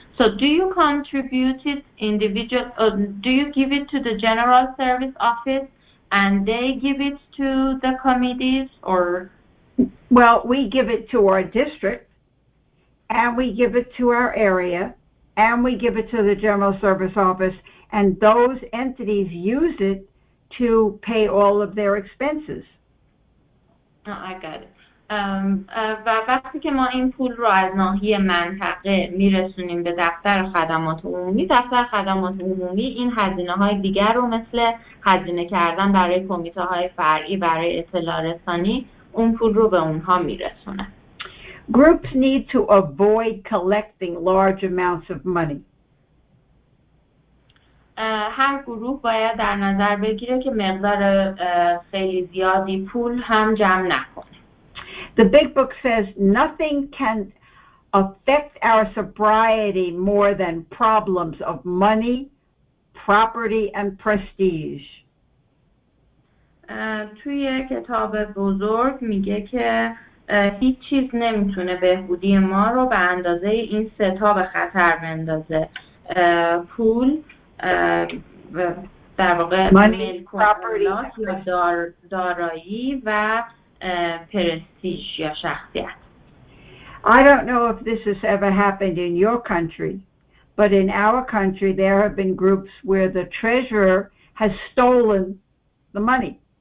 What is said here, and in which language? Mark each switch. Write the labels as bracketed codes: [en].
[en] So do you contribute it individual, do you give it to the general service office and they give it to the committees, or? Well, we give it to our district and we give it to our area and we give it to the general service office, and those entities use it to pay all of their expenses. Oh, I got it. [fa] و وقتی که ما این پول رو از ناحیه منطقه میرسونیم به دفتر خدمات عمومی، دفتر خدمات عمومی این هزینه های دیگر رو مثل هزینه کردن برای کمیته های فرعی برای اطلاع رسانی، اون پول رو به اونها میرسونه. [en] Groups need to avoid collecting large amounts of money. [fa] هر گروه باید در نظر بگیره که مقدار خیلی زیادی پول هم جمع نکنه. [en] The big book says nothing can affect our sobriety more than problems of money, property, and prestige. [fa] توی کتاب بزرگ میگه که هیچ چیز نمیتونه بهبودی ما رو به اندازه این سه تا به خطر بندازه. پول، در واقع ملک و اموالات یا دارایی و prestige یا شخصیت. [en] I don't know if this has ever happened in your country, but in our country there have been groups where the treasurer has stolen the money.